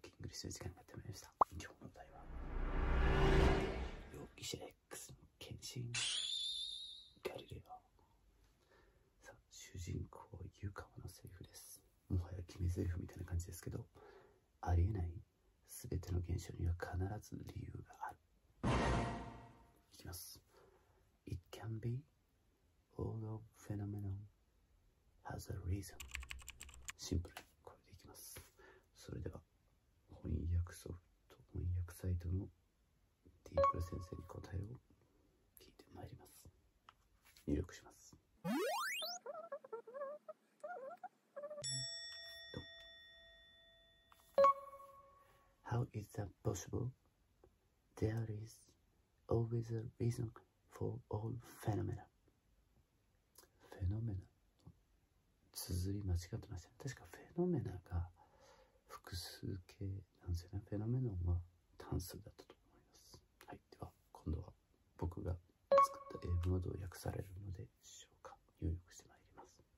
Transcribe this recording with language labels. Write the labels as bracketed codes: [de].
[ja] する時間になってまいりました。今日の題は容疑者 X の献身ガリレオ。さあ主人公ユカワのセリフです。もはや決めセリフみたいな感じですけど、ありえない全ての現象には必ず理由がある。いきます。 [en] It can be all of phenomenon has a reason。 [ja] シンプルにこれでいきます。それでは翻訳ソフト、翻訳サイトのディープル先生に答えを聞いてまいります。入力します。 [en] How is that possible? There is always a reason for all phenomena。 [ja] フェノメナ、綴り間違ってましたね。確かフェノメナが複数形なんですよね。フェノメノンは単数だったと思います。はい、では今度は僕が作った英文はどう訳されるのでしょうか。入力してまいります。